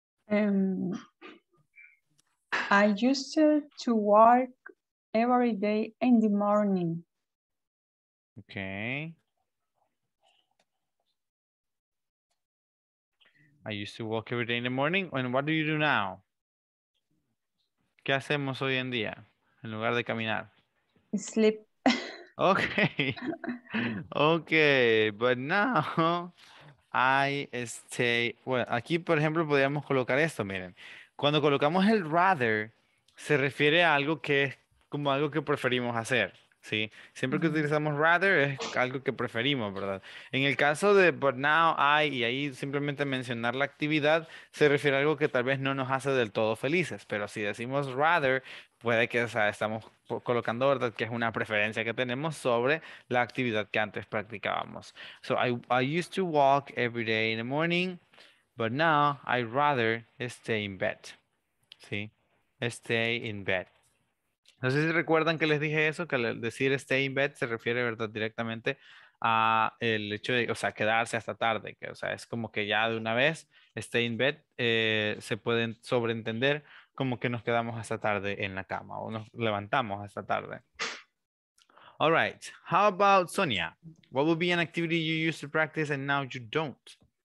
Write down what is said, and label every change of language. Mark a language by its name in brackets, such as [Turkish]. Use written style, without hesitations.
[English] I used to work every day in the morning. Okay. I used to walk every day in the morning. And what do you do now? [Spanish] ¿Qué hacemos hoy en día en lugar de caminar? [English] Sleep. Okay. Okay, but now I stay, well, [Spanish] aquí por ejemplo podríamos colocar esto, miren. Cuando colocamos el rather, se refiere a algo que es como algo que preferimos hacer, ¿sí? Siempre que utilizamos rather es algo que preferimos, ¿verdad? En el caso de [English] but now I, [Spanish] y ahí simplemente mencionar la actividad, se refiere a algo que tal vez no nos hace del todo felices, pero si decimos rather, puede que, o sea, estamos colocando, ¿verdad?, que es una preferencia que tenemos sobre la actividad que antes practicábamos. [English] So I used to walk every day in the morning, but now I rather stay in bed. [Spanish] ¿Sí? [English] Stay in bed. [Spanish] No sé si recuerdan que les dije eso, que al decir [English] stay in bed [Spanish] se refiere, ¿verdad?, directamente a el hecho de, o sea, quedarse hasta tarde, que, o sea, es como que ya de una vez, stay in bed, se pueden sobreentender como que nos quedamos hasta tarde en la cama o nos levantamos hasta tarde. [English] All right. How about Sonia? What would be an activity you used to practice and now you don't?